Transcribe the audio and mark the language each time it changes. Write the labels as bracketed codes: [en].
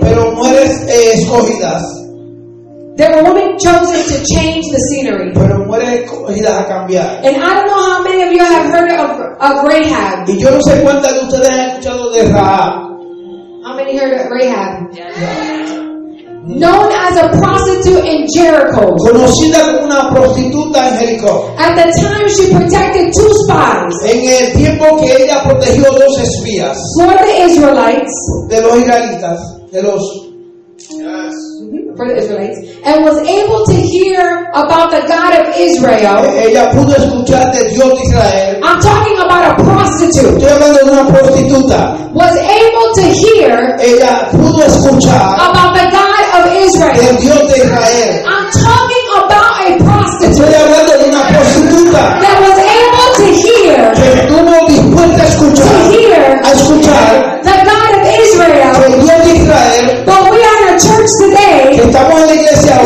[es] Pero mujeres escogidas. [en] There were women chosen to change the scenery. [es] Pero mujeres escogidas a cambiar. [en] And I don't know how many of you have heard of Rahab. [es] Y yo no sé cuántas de ustedes han escuchado de Rahab. [en] How many heard of Rahab? Yeah. Known as a prostitute in Jericho. [es] Conocida como una prostituta en Jericho. [en] At the time she protected two spies. [es] En el tiempo que ella protegió dos espías. [en] For the Israelites. [es] De los israelitas. De los... [en] For the Israelites, and was able to hear about the God of Israel. [es] Ella pudo escuchar de Dios de Israel. [en] I'm talking about a prostitute. [es] Estoy hablando de una prostituta. [en] Was able to hear. [es] Ella pudo escuchar [en] about the God of Israel. [es] De Dios de Israel. [en] I'm talking about a prostitute. [es] Estoy hablando de una prostituta. [en] That was able to hear. [es] Que estuvo dispuesta a escuchar. [en] To hear. [es] A escuchar. [en] The God of Israel. [es] De Dios de Israel. [en] Today, [es] que estamos en la iglesia hoy,